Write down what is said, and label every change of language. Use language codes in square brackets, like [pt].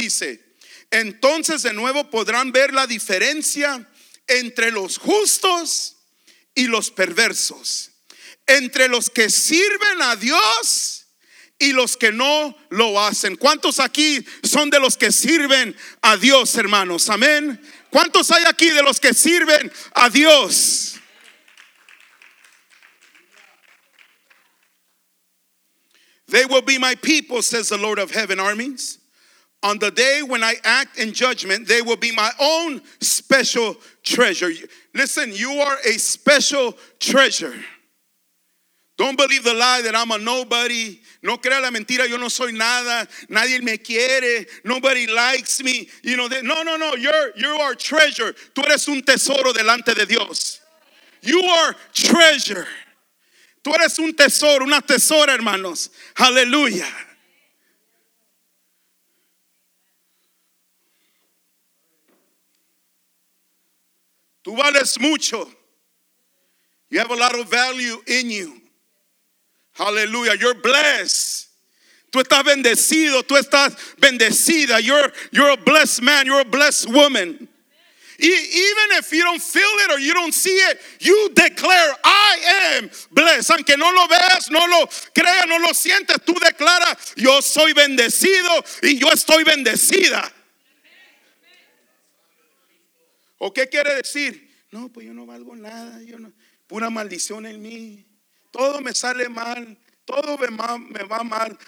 [es] Dice: entonces de nuevo podrán ver la diferencia entre los justos y los perversos, entre los que sirven a Dios y los que no lo hacen. ¿Cuántos aquí son de los que sirven a Dios, hermanos? Amén. ¿Cuántos hay aquí de los que sirven a Dios? [en] They will be my people, says the Lord of heaven armies. On the day when I act in judgment, they will be my own special treasure. Listen, you are a special treasure. Don't believe the lie that I'm a nobody. [es] No crea la mentira, yo no soy nada. Nadie me quiere. [en] Nobody likes me. You know, no. You are treasure. [es] Tú eres un tesoro delante de Dios. [en] You are treasure. [es] Tú eres un tesoro, una tesora, hermanos. Aleluya. Tú vales mucho. [en] You have a lot of value in you. [es] Aleluya. [en] You're blessed. [es] Tú estás bendecido. Tú estás bendecida. [en] You're a blessed man. You're a blessed woman. Even if you don't feel it or you don't see it, you declare, I am blessed. [es] Aunque no lo veas, no lo creas, no lo sientes, tú declaras, yo soy bendecido y yo estoy bendecida. ¿O qué quiere decir? No, pues yo no valgo nada. Yo no. pura maldición en mí. Todo me sale mal, todo me va mal.